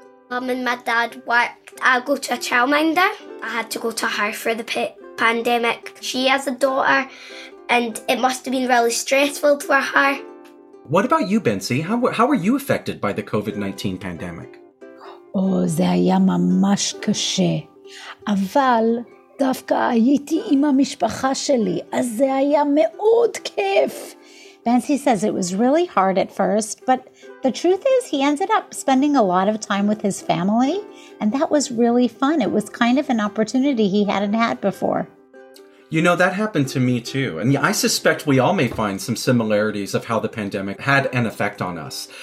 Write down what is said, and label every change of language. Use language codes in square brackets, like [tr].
[en] Mum and my dad worked. I go to a childminder. I had to go to her for the pandemic. She has a daughter and it must have been really stressful for her. What about you, Bensi? How were you affected by the COVID-19 pandemic? [he] Oh, זה היה ממש קשה. אבל דווקא הייתי עם המשפחה שלי, אז זה היה מאוד כיף. [en] Bensi says it was really hard at first, but the truth is he ended up spending a lot of time with his family, and that was really fun. It was kind of an opportunity he hadn't had before. You know, that happened to me too. And I suspect we all may find some similarities of how the pandemic had an effect on us.